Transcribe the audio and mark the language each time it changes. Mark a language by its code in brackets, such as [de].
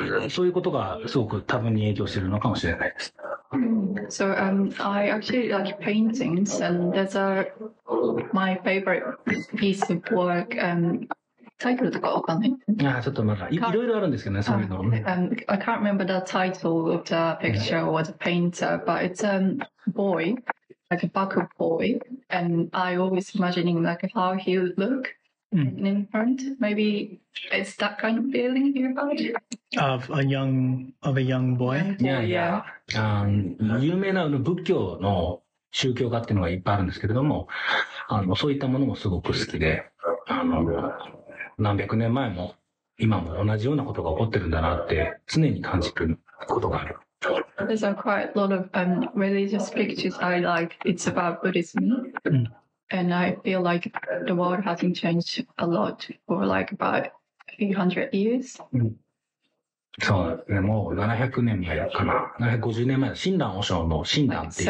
[ja] そういうことがすごく多分に影響しているのかもしれないです。 [en] So, I actually like paintings, and that's my favorite piece of work. [ja] タイトルとかわかんない。ちょっとまだ いろいろあるんですけどね、そういうの。 [en] I can't remember the title of the picture or the painter, but it's a boy, like a buck boy, and I always imagining like how he would look、in front. Maybe it's that kind of feeling you had? Of a young boy? Yeah. [ja] 有名な仏教の宗教画っていうのがいっぱいあるんですけれども、そういったものもすごく好きで、何百年前も今も同じようなことが起こってるんだなって常に感じることがある。 [en] There's a quite lot of religious pictures I like. It's about Buddhism. And I feel like the world hasn't changed a lot for like about 300 years. [ja] そうね、もう700年前かな。 750年前の親鸞和尚の親鸞っていう。